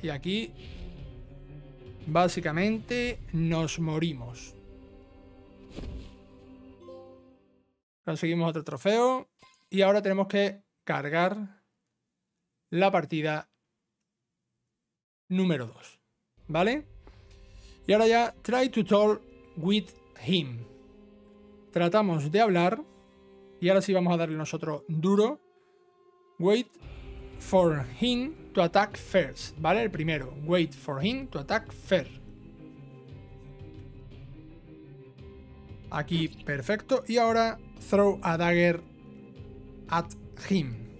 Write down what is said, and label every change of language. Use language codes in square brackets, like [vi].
[es] Y aquí básicamente nos morimos. Conseguimos otro trofeo. Y ahora tenemos que cargar la partida número 2, ¿vale? Y ahora ya, [en] try to talk with him. [es] Tratamos de hablar. Y ahora sí vamos a darle nosotros duro. [en] Wait for him to attack first. [es] ¿Vale? El primero. [en] Wait for him to attack first. [es] Aquí, perfecto. Y ahora, [en] throw a dagger at him.